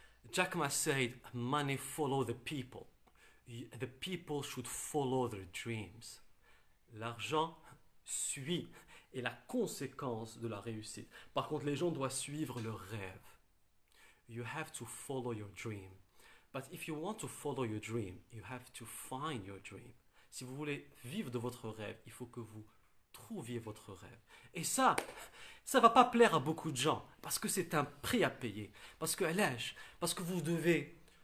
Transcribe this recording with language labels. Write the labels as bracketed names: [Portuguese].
[English] Jack Ma said, money follow the people. The people should follow their dreams. [French] L'argent suit et la conséquence de la réussite. Par contre, les gens doivent suivre leur rêve. [English] You have to follow your dream. But if you want to follow your dream, you have to find your dream. [French] Si vous voulez vivre de votre rêve, il faut que vous trouviez votre rêve. Et ça va pas plaire à beaucoup de gens parce que c'est un prix à payer. Parce que, Alège, parce que vous devez.